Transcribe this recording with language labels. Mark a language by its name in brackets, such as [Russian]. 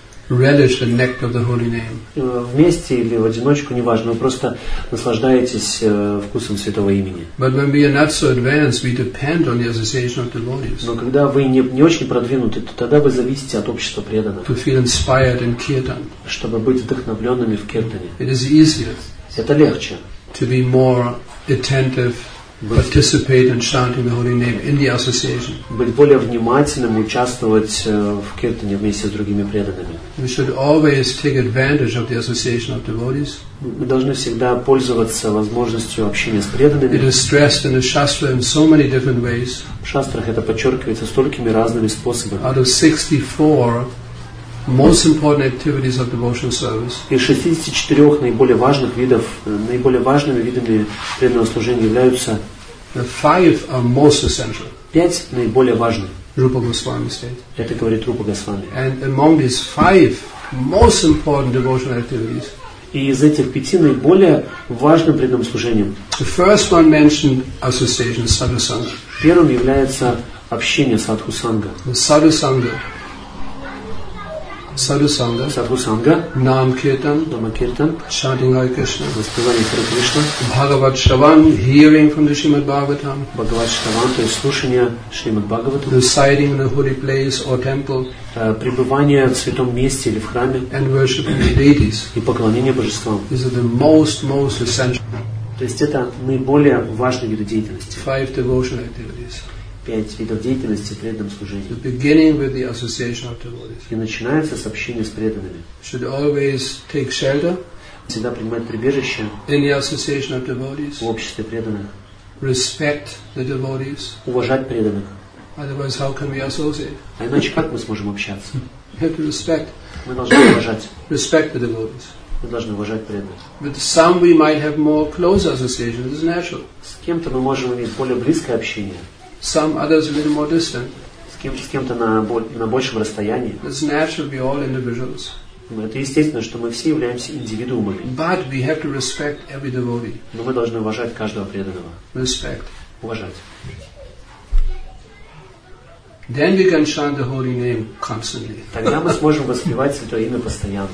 [English] Relish the nectar of the holy name. [Russian] Вместе или в одиночку, неважно, вы просто наслаждаетесь вкусом святого имени. [English] But when we are not so advanced, we depend on the association of the devotees. [Russian] Но когда вы не очень продвинуты, то тогда вы зависите от общества преданных. [English] To feel inspired in kirtan. [Russian] Чтобы быть вдохновленными в киртане. [English] It is easier. [Russian] Это легче. [English] To be more attentive. Participate in chanting the holy name in the association. [Russian] Быть более внимательным, участвовать в киртане вместе с другими преданными. [English] We should always take advantage of the association of devotees. [Russian] Мы должны всегда пользоваться возможностью общения с преданными. [English] It is stressed in the shastra in so many different ways. [Russian] В шастрах это подчеркивается столькими разными способами. [English] Out of 64 most important activities of devotional service. [Russian] Из 64 наиболее важных видов, наиболее важными видами преданного служения являются. [English] The five are most essential. [Russian] Пять наиболее важных. [English] Rupa Goswami said. [Russian] Это говорит Рупа Госвами. [English] And among these five most important devotional activities. [Russian] И из этих пяти наиболее важным преданным служением. [English] The first one mentioned association sadhu sangha. [Russian] Первым является общение садху санга. [English] Sadhu sangha. Sadhu Sangha, Nam Kirtan, Nama Kirtan, chanting Hare Krishna, [Russian] воспевание Хари Кришна, [English] Bhagavad Shravan, hearing from the Shrimad Bhagavatam, [Russian] Bhagavad Shravan, то есть слушание Шримад Бхагаватам, [English] residing in a holy place or temple, [Russian] пребывание в святом месте или в храме, [English] and worshiping the deities, [Russian] и поклонение божествам. [English] These are the most essential. [Russian] То есть это наиболее важные виды деятельности. [English] Five devotional activities. [Russian] Пять видов деятельности в преданном служении. [English] The beginning with the association of devotees. [Russian] И начинается с общения с преданными. [English] Should always take shelter. [Russian] Всегда принимать прибежище. [English] In the association of devotees. [Russian] В обществе преданных. [English] Respect the devotees. [Russian] Уважать преданных. [English] Otherwise, how can we associate? [Russian] А иначе как мы сможем общаться? [English] We have to respect. [Russian] Мы должны уважать. [English] Respect the devotees. [Russian] Мы должны уважать преданных. [English] With some we might have more close association. This is natural. [Russian] С кем-то мы можем иметь более близкое общение. [English] Some others a little more distant. [Russian] С кем-то на большем расстоянии. [English] It's natural we all individuals. [Russian] Это естественно, что мы все являемся индивидуумами. [English] But we have to respect every devotee. [Russian] Но мы должны уважать каждого преданного. [English] Respect. [Russian] Уважать. [English] Then we can chant the holy name constantly. [Russian] Тогда мы сможем воспевать святое имя постоянно.